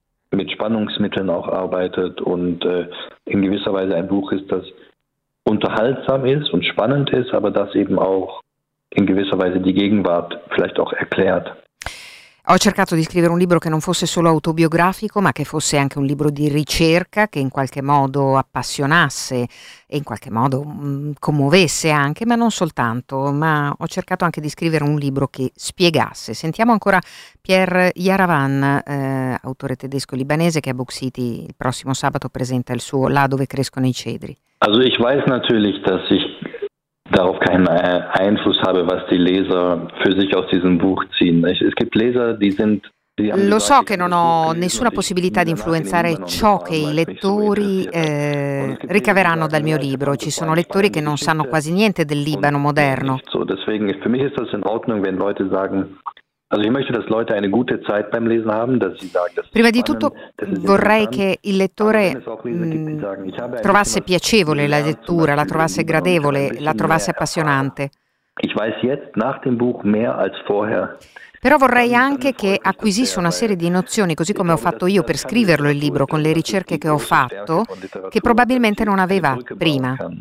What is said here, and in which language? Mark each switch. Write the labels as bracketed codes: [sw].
[de] Mit Spannungsmitteln auch arbeitet und in gewisser Weise ein Buch ist, das unterhaltsam ist und spannend ist, aber das eben auch in gewisser Weise die Gegenwart vielleicht auch erklärt. [it] Ho cercato di scrivere un libro che non fosse solo autobiografico, ma che fosse anche un libro di ricerca, che in qualche modo appassionasse e in qualche modo commuovesse anche, ma non soltanto, ma ho cercato anche di scrivere un libro che spiegasse. Sentiamo ancora Pierre Yaravan, autore tedesco-libanese, che a Book City il prossimo sabato presenta il suo Là dove crescono i cedri. [de] Also ich weiß natürlich, dass ich darauf keinen Einfluss habe, was die Leser für sich aus diesem Buch ziehen. Es gibt Leser, die sind. [it] Lo so che non ho nessuna possibilità di influenzare ciò che i lettori ricaveranno dal mio libro. Ci sono lettori che non sanno quasi niente del Libano moderno. [de] So, deswegen [it] per me [de] ist das in Ordnung, wenn Leute sagen. Also ich möchte, dass Leute eine gute Zeit beim Lesen haben, dass sie sagen, dass [it] prima di tutto vorrei che il lettore trovasse piacevole la lettura, la trovasse gradevole, la trovasse appassionante. [de] Ich weiß jetzt nach dem Buch mehr als vorher. [it] Però vorrei anche che acquisisse una serie di nozioni, così come ho fatto io per scriverlo il libro, con le ricerche che ho fatto, che probabilmente non aveva prima.